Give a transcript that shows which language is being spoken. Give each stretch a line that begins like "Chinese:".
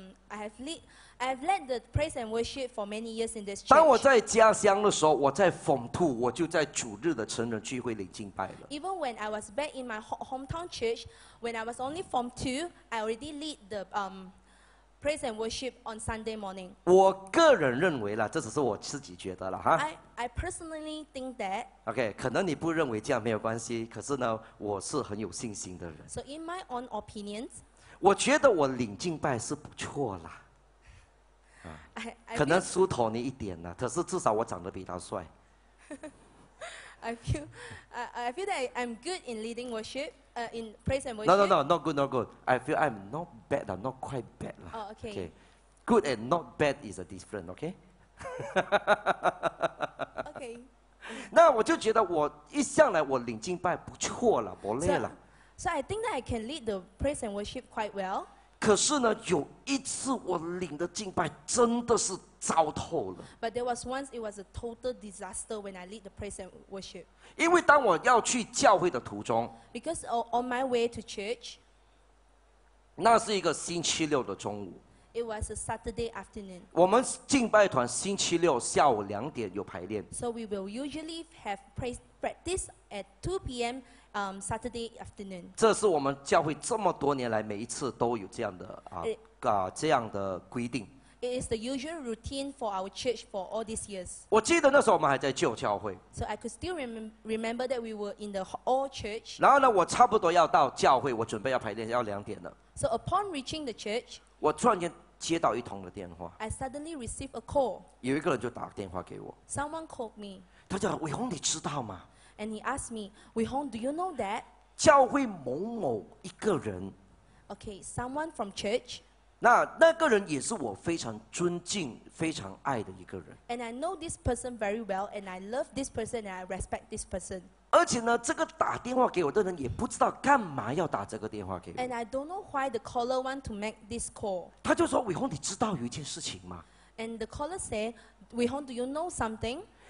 English: I have led the praise and worship for many years in this church.
Chinese: 当我在家乡的时候，我在凤兔，我就在主日的成人聚会领敬拜了。
English: Even when I was back in my hometown church, when I was only from two, I already lead the praise and worship on Sunday morning.
Chinese: 我个人认为了，这只是我自己觉得了哈。
English: I personally think that.
Chinese: OK， 可能你不认为这样没有关系，可是呢，我是很有信心的人。
English: So in my own opinions,
Chinese: 我觉得我领敬拜是不错啦。可能梳头你一点呢，可是至少我长得比他帅。
English: I feel that I'm good in leading worship. In praise and worship. No, not good, not good. I feel I'm not bad, I'm not quite bad. Oh, okay. Okay. Good and not bad is a different, okay? Okay.
Chinese: 那我就觉得我一向来我领敬拜不错了，不累了。
English: So I think that I can lead the praise and worship quite well.
Chinese: 可是呢，有一次我领的敬拜真的是糟透了。
English: But there was once it was a total disaster when I lead the praise and worship.
Chinese: 因为当我要去教会的途中
English: ，because on my way to church，
Chinese: 那是一个星期六的中午。
English: It was a Saturday afternoon.
Chinese: 我们敬拜团星期六下午两点有排练。
English: So we will usually have practice at 2 p.m. Saturday afternoon.
Chinese: 这是我们教会这么多年来每一次都有这样的这样的规定。
English: It is the usual routine for our church for all these years.
Chinese: 我记得那时候我们还在旧教会。
English: So I could still remember that we were in the old church.
Chinese: 然后呢，我差不多要到教会，我准备要排练，要两点了。
English: So upon reaching the church,
Chinese: 我突然间接到一通的电话。
English: I suddenly received a call.
Chinese: 有一个人就打电话给我。
English: Someone called me.
Chinese: 他叫伟宏，你知道吗
English: ？And he asked me, 伟宏 do you know that?
Chinese: 教会某某一个人。
English: Okay, someone from church.
Chinese: 那个人也是我非常尊敬非常爱的一个人。
English: And I know this person very well, and I love this person, and I respect this person.
Chinese: 而且呢，这个打电话给我的人也不知道干嘛要打这个电话给我。
English: And I don't know why the caller want to make this call.
Chinese: 他就说：“伟宏，你知道有一件事情吗
English: ？”And the caller said, "Weihong, do you know something?"